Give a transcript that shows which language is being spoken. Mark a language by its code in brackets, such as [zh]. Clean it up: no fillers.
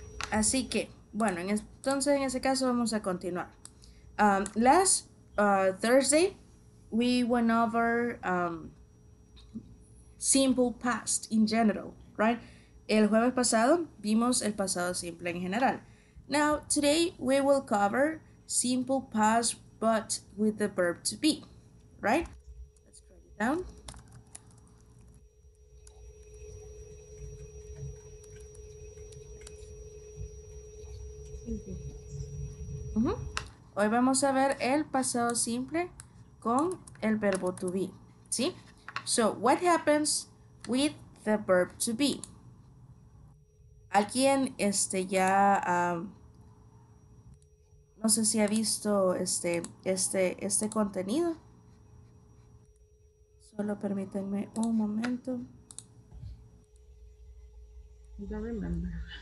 [es] Así que, bueno, entonces en ese caso vamos a continuar. [en] Thursday, we went over simple past in general, right? [es] El jueves pasado, vimos el pasado simple en general. [en] Now, today, we will cover simple past, but with the verb to be, right? Let's write it down. [es] Hoy vamos a ver el pasado simple con el verbo to be, ¿sí? [en] So, what happens with the verb to be? [es] ¿Alguien ya, no sé si ha visto este contenido? Solo permítanme un momento. [en] I don't remember.